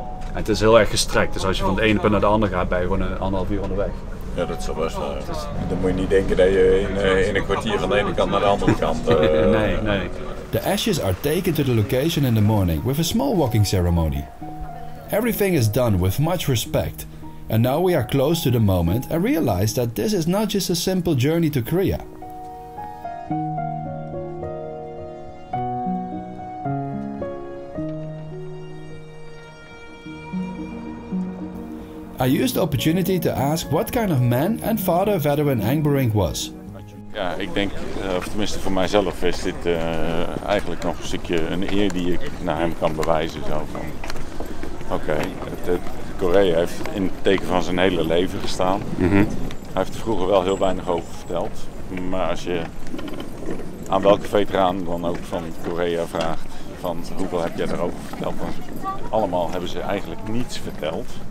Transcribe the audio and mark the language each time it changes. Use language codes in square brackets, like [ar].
[nl] Het is heel erg gestrekt, dus als je van het ene punt naar de andere gaat, ben je gewoon 1,5 uur onderweg. Ja, dat zou best wel. Dan moet je niet denken dat je in een kwartier van de ene kant naar de andere kant... Nee. [en] The ashes are taken to the location in the morning with a small walking ceremony. Everything is done with much respect. And now we are close to the moment and realize that this is not just a simple journey to Korea. I used the opportunity to ask what kind of man and father veteran Engbering was. [nl] Ja, ik denk, of tenminste voor mijzelf, is dit eigenlijk nog een stukje een eer die ik naar hem kan bewijzen. Zo van, Korea heeft in het teken van zijn hele leven gestaan. Mm-hmm. Hij heeft er vroeger wel heel weinig over verteld. Maar als je aan welke veteraan dan ook van Korea vraagt van hoeveel heb jij daarover verteld, dan allemaal hebben ze eigenlijk niets verteld.